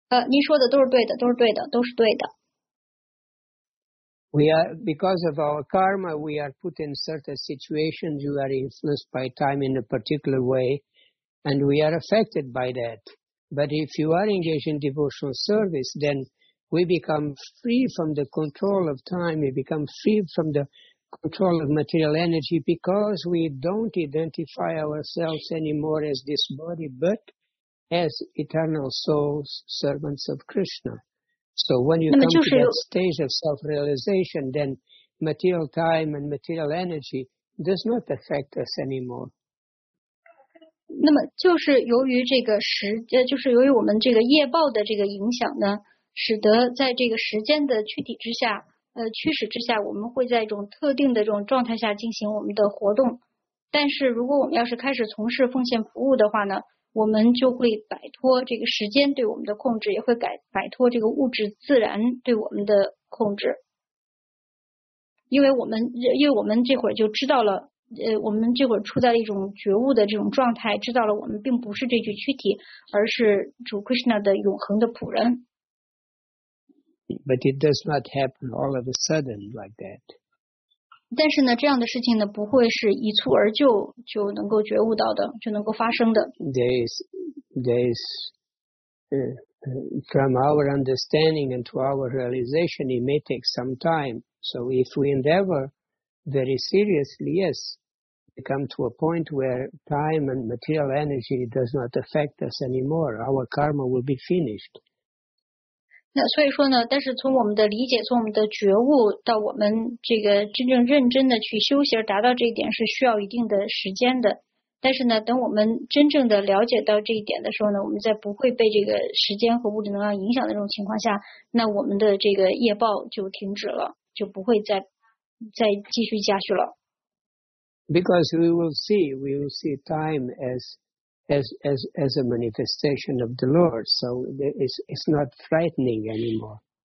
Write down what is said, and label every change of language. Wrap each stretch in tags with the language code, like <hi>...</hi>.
<zh>您说的都是对的，都是对的，都是对的。</zh> <en>We are, because of our karma, we are put in certain situations. You are influenced by time in a particular way. And we are affected by that. But if you are engaged in devotional service, then we become free from the control of time. We become free from the control of material energy because we don't identify ourselves anymore as this body, but as eternal souls, servants of Krishna. So when you come to that stage of self-realization, then material time and material energy does not affect us anymore.</en> <zh>那么就是由于这个时，就是由于我们这个业报的这个影响呢，使得在这个时间的躯体之下，驱使之下，我们会在一种特定的这种状态下进行我们的活动。但是如果我们要是开始从事奉献服务的话呢，我们就会摆脱这个时间对我们的控制，也会摆脱这个物质自然对我们的控制。因为我们这会儿就知道了。我们这会儿处在了一种觉悟的这种状态，知道了我们并不是这具躯体，而是主 Krishna 的永恒的仆人。</zh> <en>But it does not happen all of a sudden like that.</en> <zh>但是呢，这样的事情呢，不会是一蹴而就就能够觉悟到的，就能够发生的。</zh> <en>There is, from our understanding and to our realization, it may take some time. So if we endeavor. Very seriously, yes. We come to a point where time and material energy does not affect us anymore. Our karma will be finished.</en> <zh>那所以说呢，但是从我们的理解，从我们的觉悟到我们这个真正认真的去修行，达到这一点是需要一定的时间的。但是呢，等我们真正的了解到这一点的时候呢，我们在不会被这个时间和物质能量影响的这种情况下，那我们的这个业报就停止了，就不会再。再继续下去了。</zh> <en>Because we will see time as a manifestation of the Lord, so it's not frightening anymore.</en>